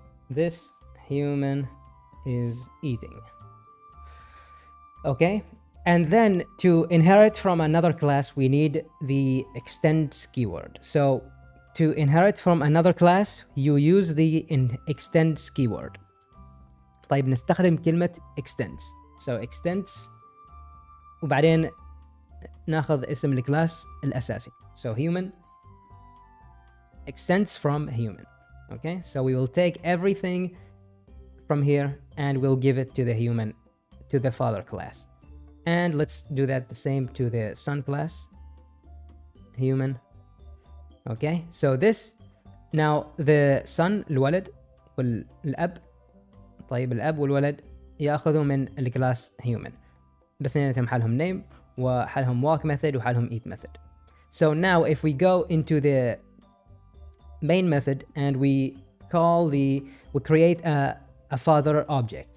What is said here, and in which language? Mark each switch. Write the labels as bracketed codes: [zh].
[en] This human is eating. Okay, and then to inherit from another class, we need the extends keyword. So to inherit from another class, you use the extends keyword. [ar] طيب نستخدم كلمة extends. [en] So extends, [ar] وبعدين ناخذ اسم الكلاس الأساسي. [en] So human extends from human. Okay, so we will take everything from here and we'll give it to the human, to the father class. And let's do that the same to the son class, human. Okay, so this, now the son, [ar] الولد والأب, طيب الأب والولد يأخذوا من الكلاس human. بثنينتهم حالهم name وحالهم walk method وحالهم eat method. [en] So now if we go into the main method and we create a father object.